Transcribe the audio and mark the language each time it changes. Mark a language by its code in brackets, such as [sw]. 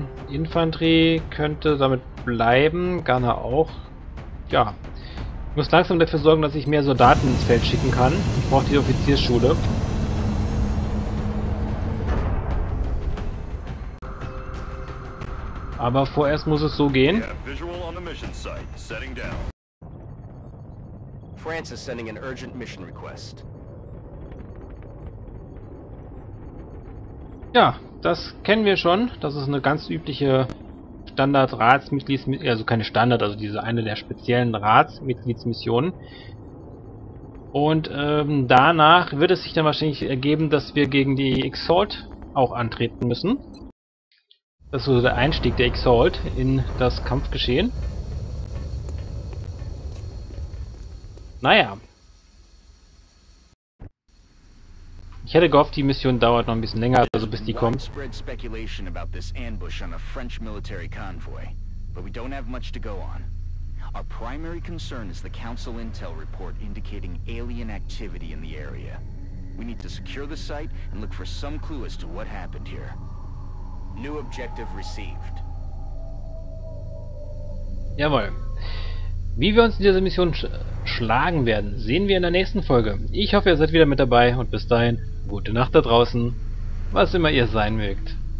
[de] Infanterie könnte damit bleiben. Gunner auch. Ja. Ich muss langsam dafür sorgen, dass ich mehr Soldaten ins Feld schicken kann. Ich brauche die Offiziersschule. Aber vorerst muss es so gehen. [en] France is sending an urgent mission request. [de] Ja, das kennen wir schon. Das ist eine ganz übliche Standard-Ratsmitgliedsmission. Also keine Standard, also diese eine der speziellen Ratsmitgliedsmissionen. Und danach wird es sich dann wahrscheinlich ergeben, dass wir gegen die Exalt auch antreten müssen. Das ist so der Einstieg der Exalt in das Kampfgeschehen. Naja. Ich hätte gehofft, die Mission dauert noch ein bisschen länger, also bis die kommt. [en] Widespread speculation about this ambush on a French military convoy, but we don't have much to go on. Our primary concern is the Council Intel report indicating alien activity in the area. We need to secure the site and look for some clue as to what happened here. New objective received. [de] Jawohl. Wie wir uns in dieser Mission schlagen werden, sehen wir in der nächsten Folge. Ich hoffe, ihr seid wieder mit dabei und bis dahin, gute Nacht da draußen, was immer ihr sein mögt.